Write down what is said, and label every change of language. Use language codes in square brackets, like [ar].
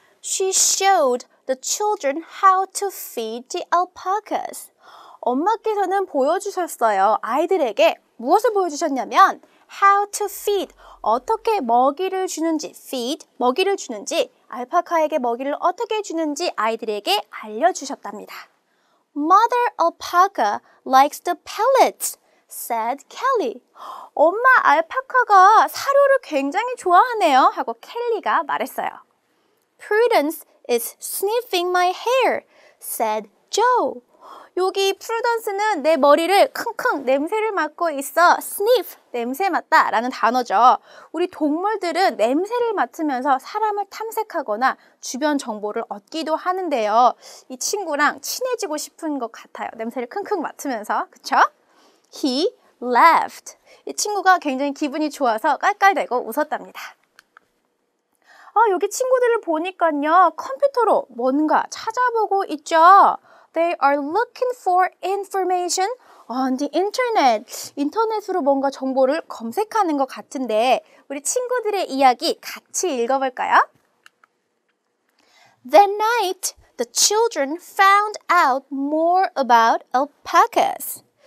[en] She showed the children how to feed the alpacas. [ko] 엄마께서는 보여주셨어요. 아이들에게 무엇을 보여주셨냐면 [en] how to feed, [ko] 어떻게 먹이를 주는지, feed, 먹이를 주는지, 알파카에게 먹이를 어떻게 주는지 아이들에게 알려주셨답니다. [en] Mother alpaca likes the pellets, said Kelly. [ko] 엄마 알파카가 사료를 굉장히 좋아하네요, 하고 켈리가 말했어요. [en] Prudence is sniffing my hair, said Joe. [ko] 여기 프루던스는 내 머리를 킁킁 냄새를 맡고 있어. Sniff, 냄새 맡다 라는 단어죠. 우리 동물들은 냄새를 맡으면서 사람을 탐색하거나 주변 정보를 얻기도 하는데요. 이 친구랑 친해지고 싶은 것 같아요. 냄새를 킁킁 맡으면서, 그쵸? [en] He laughed. [ko] 이 친구가 굉장히 기분이 좋아서 깔깔대고 웃었답니다. 아, 여기 친구들을 보니까요. 컴퓨터로 뭔가 찾아보고 있죠. [en] They are looking for information on the internet. [ko] 인터넷으로 뭔가 정보를 검색하는 것 같은데 우리 친구들의 이야기 같이 읽어볼까요? [en] That night, the children found out more about alpacas.